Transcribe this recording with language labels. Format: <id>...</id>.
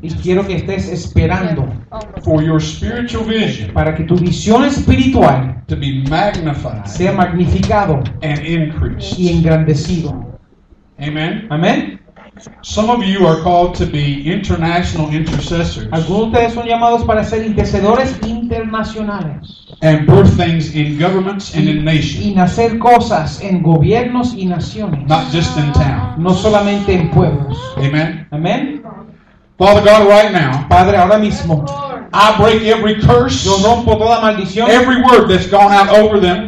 <es>Y quiero que estés esperando</es> <en>for your spiritual vision,</en> <es>para que tu visión espiritual</es> <en>to be magnified,</en> <es>sea magnificado</es> <en>and increased,</en> <es>y engrandecido.</es> <en>Amen.</en> <es>Amen.</es> <en>Some of you are called to be international intercessors.</en> <es>Algunos de ustedes son llamados para ser intercedores internacionales.</es> <en>And birth things in governments and in nations.</en> <es>Y nacer cosas en gobiernos y naciones.</es> <en>Not just in town.</en> <es>No solamente en pueblos.</es> <en>Amen.</en> <es>Amen.</es> <en>Father God, right now.</en> <es>Padre, ahora mismo.</es> <en>I break every curse.</en> <es>Yo rompo toda maldición.</es> <en>Every word that's gone out over them.</en>